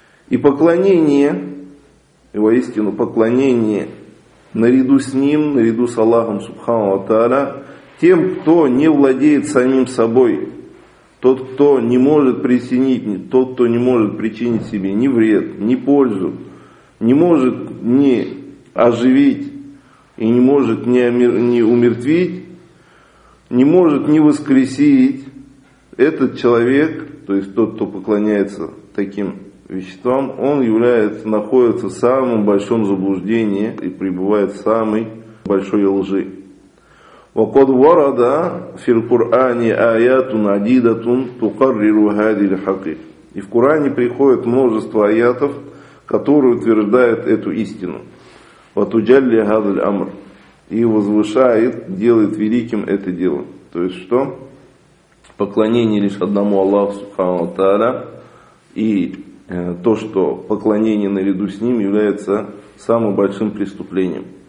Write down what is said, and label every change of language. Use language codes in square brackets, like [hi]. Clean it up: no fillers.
[ru] И поклонение, и воистину поклонение наряду с ним, наряду с Аллахом Субхану ва Тааля, тем, кто не владеет самим собой, тот, кто не может присоединить, тот, кто не может причинить себе ни вред, ни пользу, не может ни оживить и не может ни умертвить, не может ни воскресить, этот человек, то есть тот, кто поклоняется таким веществам, он является, находится в самом большом заблуждении и пребывает в самой большой лжи. [ar] وقد ورد في القرآن آيات عديدة تقرر هذه الحقيقة. [ru] И в Коране приходит множество аятов, которые утверждают эту истину. [ar] Фатуджалли Гадаль Амр. [ru] И возвышает, делает великим это дело. То есть что? Поклонение лишь одному Аллаху Субхану Тааля. И то, что поклонение наряду с ним является самым большим преступлением.